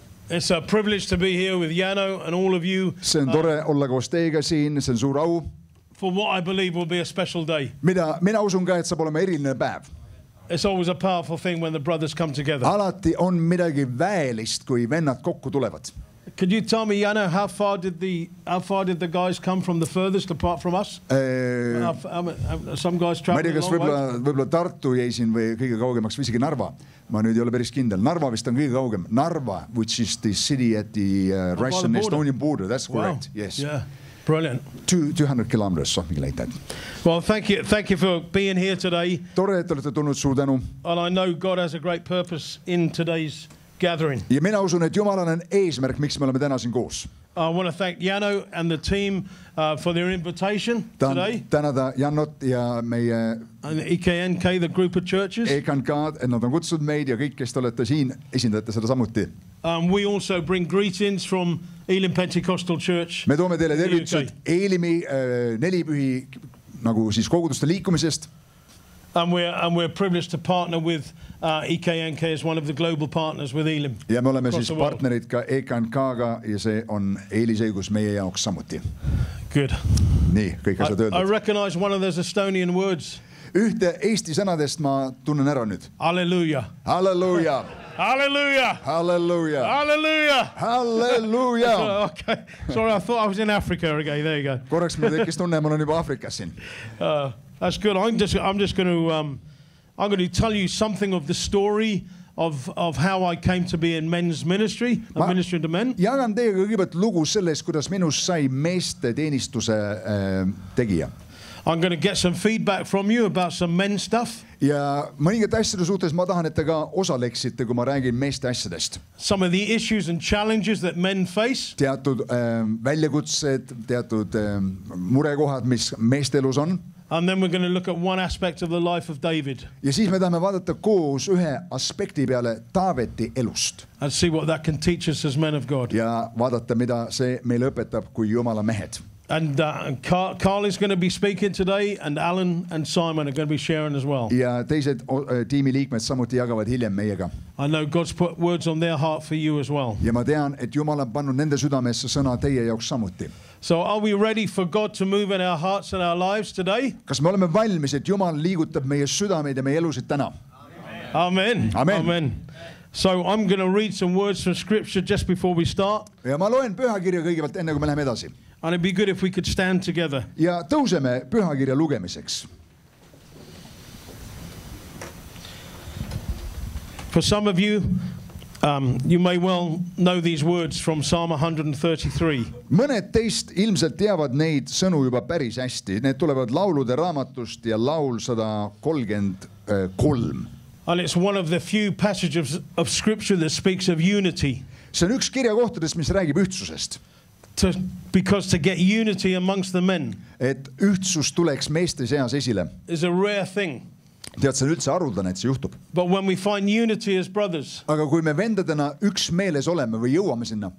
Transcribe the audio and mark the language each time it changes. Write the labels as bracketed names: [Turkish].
[English] It's a privilege to be here with Jano and all of you. [Estonian] See on tore olla koos teiga siin, see on suur au. [English] For what I believe will be a special day. [Estonian] Mina usun ka, et saab olema eriline päev. [English] It's always a powerful thing when the brothers come together. [Estonian] Alati on midagi väelist, kui vennad kokku tulevad. [English] Could you tell me, Jano, how far did the guys come from the furthest apart from us? Some guys traveled a long way. [Estonian] Võibolla Tartu jäi siin või kõige kaugemaks või isegi Narva. Ma nüüd ei ole päris kindel. Narva vist on kõige kaugem. [English] Narva, which is the city at the Russian Estonian border. That's correct. Wow. Yes. Yeah. Brilliant. 200 kilometers, something like that. Well, thank you for being here today. [Estonian] Tore, et olete tulnud, suur tänu. [English] And I know God has a great purpose in today's gathering. [Estonian] Ja mina usun, et Jumal on eesmärk, miks me oleme täna siin koos. [English] I want to thank Jano and the team for their invitation today. [Estonian] Tänada Jannot ja meie [English] and EKNK, the group of churches. [Estonian] EKNK, et nad on kutsud meid ja kõik, kes te olete siin, esindate seda samuti. [English] We also bring greetings from Eelim Pentecostal Church. [Estonian] Me toome teile tervitused Eelimi nelipühi, nagu siis koguduste liikumisest. [English] And we're privileged to partner with EKNK as one of the global partners with Eelim. [Estonian] Ja me oleme siis partnerid ka EKNK-ga ja see on eeliseigus meie jaoks samuti. [English] Good. [Estonian] Nii, kõik asjad öeldud. [English] I recognize one of those Estonian words. [Estonian] Ühte Eesti sõnadest ma tunnen ära nüüd. [English] Hallelujah. Hallelujah. Hallelujah. Hallelujah. Hallelujah. Hallelujah. Okay. Sorry, I thought I was in Africa again. Okay, there you go. [Estonian] Korraks ma tekkis tunne, ma olen juba Afrikas siin. [English] That's good. I'm going to tell you something of the story of how I came to be in men's ministry, a ministry to men. [Estonian] Jagan teiega kõigepealt lugu sellest, kuidas minus sai meeste teenistuse tegija. [English] I'm going to get some feedback from you about some men stuff. [Estonian] Ja mõningate asjade suhtes ma tahan, et te ka osaleksite, kui ma räägin meeste asjadest. [English] Some of the issues and challenges that men face. [Estonian] Teatud väljakutsed, teatud murekohad, mis meestelus on. [English] And then we're going to look at one aspect of the life of David. [Estonian] Ja siis me tahame vaadata koos ühe aspekti peale Taaveti elust. [English] And see what that can teach us as men of God. [Estonian] Ja vaadata, mida see meil õpetab kui Jumala mehed. [English] And Carl is going to be speaking today, and Alan and Simon are going to be sharing as well. [Estonian] Ja teised tiimi liikmed samuti jagavad hiljem meiega. [English] I know God's put words on their heart for you as well. [Estonian] Ja ma tean, et Jumal on pannud nende südamesse sõna teie jaoks samuti. [English] So are we ready for God to move in our hearts and our lives today? [Estonian] Kas me oleme valmis, et Jumal liigutab meie südameid ja meie elusid täna? [English] Amen. Amen. Amen. Amen. So I'm going to read some words from scripture just before we start. [Estonian] Ja ma loen pühakirja kõigepealt enne kui me läheme edasi. [English] And it'd be good if we could stand together. [Estonian] Ja tõuseme pühakirja lugemiseks. [English] For some of you, you may well know these words from Psalm 133. [Estonian] Mõned teist ilmselt teavad neid sõnu juba päris hästi. Need tulevad laulude raamatust ja laul 133. [English] And it's one of the few passages of scripture that speaks of unity. [Estonian] See on üks kirja kohtades, mis räägib ühtsusest. [English] Because to get unity amongst the men. [Estonian] Et ühtsus tuleks meeste seas esile. [English] Is a rare thing. [Estonian] Tead, see on üldse arvuldane, et see juhtub. [English] But when we find unity as brothers. [Estonian] Aga kui me vendadena üks meeles oleme või jõuame sinna.